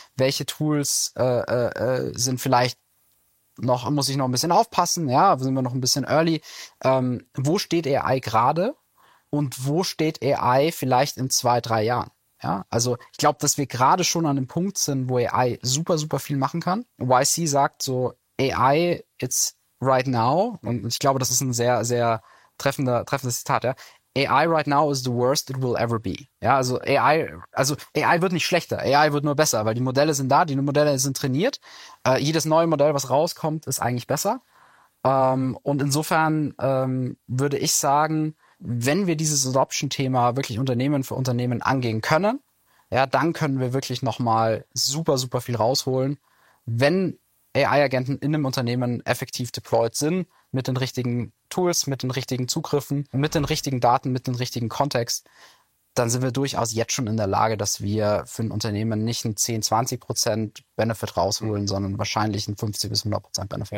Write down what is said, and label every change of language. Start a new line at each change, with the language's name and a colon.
German: Welche Tools sind vielleicht noch, muss ich noch ein bisschen aufpassen? Ja, sind wir noch ein bisschen early? Wo steht AI gerade? Und wo steht AI vielleicht in 2-3 Jahren? Ja, also ich glaube, dass wir gerade schon an dem Punkt sind, wo AI super, super viel machen kann. YC sagt so, AI,
English: it's right now.
German: Und ich glaube, das ist ein sehr, sehr treffendes Zitat. Ja.
English: AI right now is the worst it will ever be.
German: Ja, also AI wird nicht schlechter. AI wird nur besser, weil die Modelle sind da, die Modelle sind trainiert. Jedes neue Modell, was rauskommt, ist eigentlich besser. Und insofern würde ich sagen, wenn wir dieses Adoption-Thema wirklich Unternehmen für Unternehmen angehen können, ja, dann können wir wirklich nochmal super, super viel rausholen, wenn AI-Agenten in einem Unternehmen effektiv deployed sind, mit den richtigen Tools, mit den richtigen Zugriffen, mit den richtigen Daten, mit dem richtigen Kontext, dann sind wir durchaus jetzt schon in der Lage, dass wir für ein Unternehmen nicht einen 10-20% Benefit rausholen, sondern wahrscheinlich einen 50-100% Benefit.